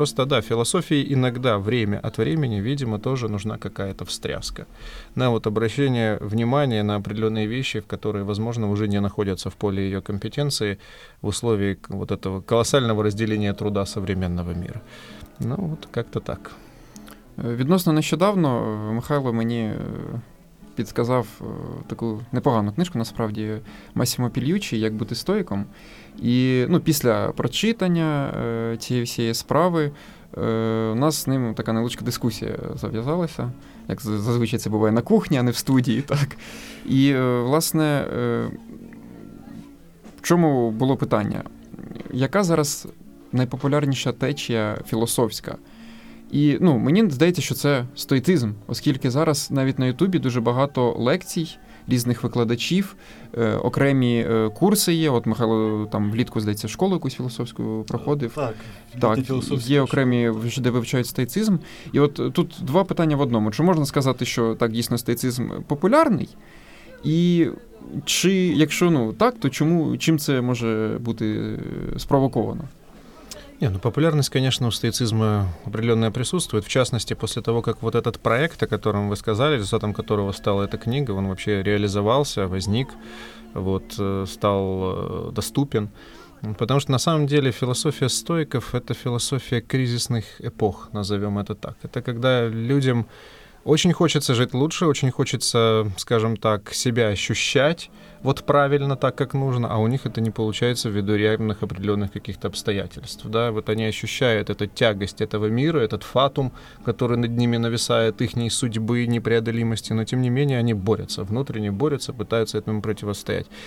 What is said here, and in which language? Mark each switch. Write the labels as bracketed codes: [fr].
[ru] Просто да, философии иногда время от времени, видимо, тоже нужна какая-то встряска. На вот обращение внимания на определенные вещи, которые, возможно, уже не находятся в поле ее компетенции в условии вот этого колоссального разделения труда современного мира. Ну вот как-то так. [uk] Відносно нещодавно Михайло мені підсказав таку непогану книжку, насправді, Масімо Пільюччі «Як бути стоїком». І, ну, після прочитання цієї всієї справи у нас з ним така невеличка дискусія зав'язалася, як зазвичай це буває на кухні, а не в студії, так. І, власне, в чому було питання? Яка зараз найпопулярніша течія філософська? І, ну, мені здається, що це стоїцизм, оскільки зараз навіть на Ютубі дуже багато лекцій різних викладачів, окремі курси є, от Михайло там влітку, здається, школу якусь філософську проходив. Так, так, є окремі, де вивчають стоїцизм. І от тут два питання в одному. Чи можна сказати, що так, дійсно, стоїцизм популярний? І чи, якщо, ну, так, то чому, чим це може бути спровоковано? [ru] Не, ну популярность, конечно, у стоицизма определенная присутствует, в частности, после того, как вот этот проект, о котором вы сказали, результатом которого стала эта книга, он вообще реализовался, возник, вот, стал доступен, потому что на самом деле философия стоиков — это философия кризисных эпох, назовем это так, это когда людям очень хочется жить лучше, очень хочется, скажем так, себя ощущать вот правильно так, как нужно, а у них это не получается ввиду реальных определенных каких-то обстоятельств, да, вот они ощущают эту тягость этого мира, этот фатум, который над ними нависает, ихней судьбы, непреодолимости, но тем не менее они борются, внутренне борются, пытаются этому противостоять.